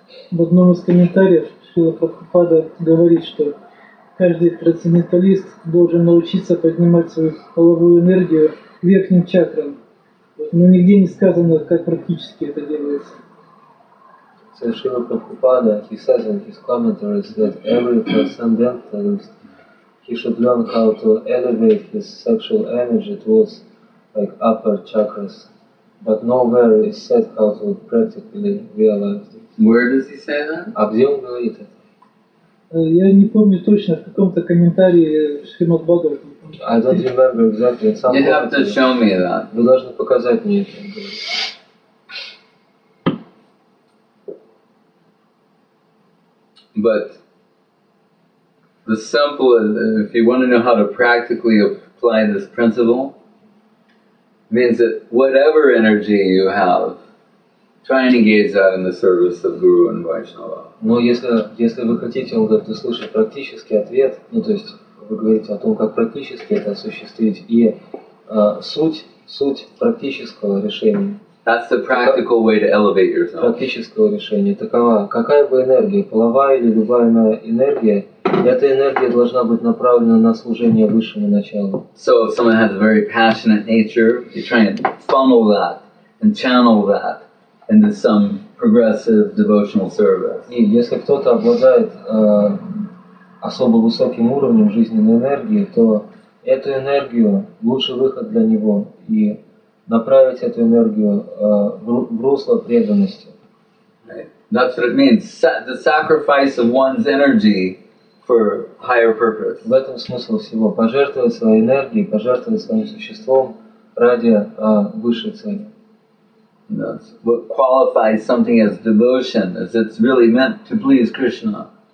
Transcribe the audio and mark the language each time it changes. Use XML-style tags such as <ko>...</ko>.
<ru>в одном из комментариев Шрила Прабхупада говорит, что каждый трансценденталист должен научиться поднимать свою половую энергию верхним чакрам. Но нигде не сказано, как практически это делается.</ru> <en>So Srila Prabhupada, he says in his commentaries that every transcendentalist, he should learn how to elevate his sexual energy towards like upper chakras, but nowhere is said how to practically realize it. Where does he say that?</en> <ru>А где он говорит это? Я не помню точно, в каком-то комментарии Шримад Бхагаватам.</ru> <en>I don't remember exactly. You have to here. Show me that.</en> <ru>Вы должны показать мне это.</ru> <en>But the simple, if you want to know how to practically apply this principle, means that whatever energy you have, try and engage that in the service of Guru and Vaishnava.</en> <ru>Но если вы хотите услышать практический ответ, ну то есть вы говорите о том, как практически это осуществить, и суть практического решения.</ru> <en>That's the practical way to elevate yourself.</en> <ru>Практического решения такова. Какая бы энергия, половая или любая энергия, эта энергия должна быть направлена на служение высшему началу.</ru> <en>So if someone has a very passionate nature, you try and funnel that and channel that into some progressive devotional service.</en> <ru>И если кто-то обладает особо высоким уровнем жизненной энергии, то эту энергию лучший выход для него и направить эту энергию в русло преданности.</ru> <en>Right. That's what it means. The sacrifice of one's energy for higher purpose.</en> <ru>В этом смысл всего. Пожертвовать своей энергией, пожертвовать своим существом ради высшей цели.</ru> <en>That's what qualifies something as devotion, as it's really meant to please Krishna.</en>